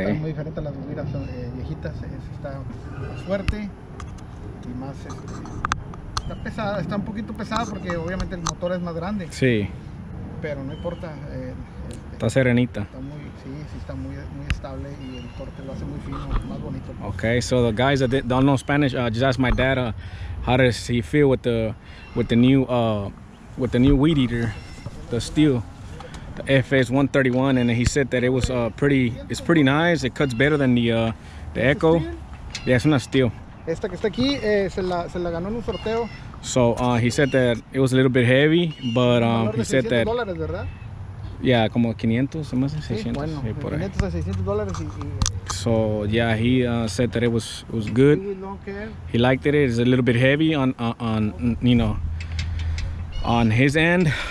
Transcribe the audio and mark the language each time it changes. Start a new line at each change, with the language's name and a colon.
Spanish: Está muy diferente a las miras viejitas, está más fuerte y más... está pesada, está un poquito pesada porque obviamente el motor es más grande. Sí. Pero no importa. Está serenita. Está muy, sí, está muy, muy estable y el corte lo hace muy fino, más bonito.
English: Okay, so the guys that don't know Spanish, just ask my dad. How does he feel with the new weed eater, the steel, the FS-131, and he said that it was pretty nice. It cuts better than the Echo. Yeah, it's not steel.
Spanish: Esta que está aquí se la ganó en un sorteo.
English: So he said that it was a little bit heavy, but he said that.
Spanish: Yeah, como 500, más de 600. Sí, bueno, 500 a $600 y...
English: So, yeah, he said that it was good. He liked it. It's a little bit heavy on you know, on his end.